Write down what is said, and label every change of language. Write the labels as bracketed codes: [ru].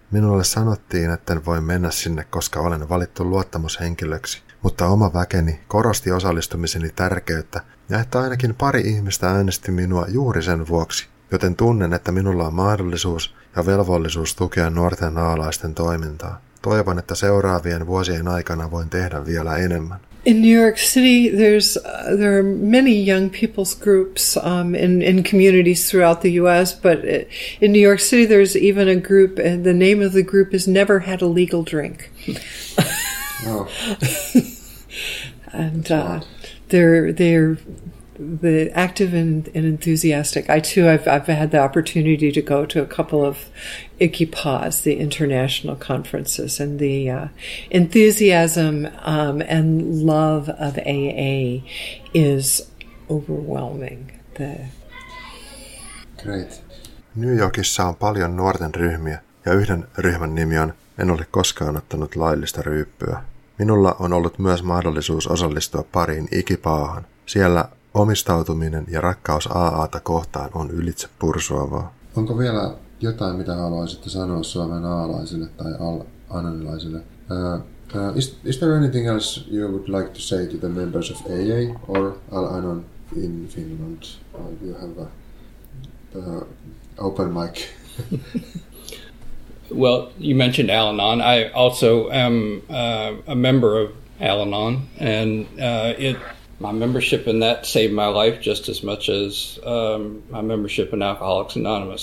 [fi] Minulle sanottiin, etten voi mennä sinne, koska olen valittu luottamushenkilöksi, mutta oma väkeni korosti osallistumiseni tärkeyttä, ja että ainakin pari ihmistä äänesti minua juuri sen vuoksi, joten tunnen, että minulla on mahdollisuus ja velvollisuus tukea nuorten naalaisten toimintaa. Toivon, että seuraavien vuosien aikana voin tehdä vielä enemmän. [en] In New York City, there are many young people's groups in communities throughout the U.S., but in New York City, there's even a group, and the name of the group is Never Had a Legal Drink. Oh. And they're the active and enthusiastic. I, too, I've had the opportunity to go to a couple of ICIPAs, the international conferences, and the enthusiasm and love of AA is overwhelming. Great. [fi] New Yorkissa on paljon nuorten ryhmiä, ja yhden ryhmän nimi on En ole koskaan ottanut laillista ryyppyä. Minulla on ollut myös mahdollisuus osallistua pariin ICIPAahan. Siellä omistautuminen ja rakkaus AA:ta kohtaan on ylitse pursuavaa. Onko vielä jotain, mitä haluaisitte sanoa Suomen aalaisille tai anonilaisille? [en] Is there anything else you would like to say to the members of AA or Al-Anon in Finland? You have an open mic. Well, you mentioned Al-Anon. I also am a member of Al-Anon, and my membership in that saved my life just as much as my membership in Alcoholics Anonymous.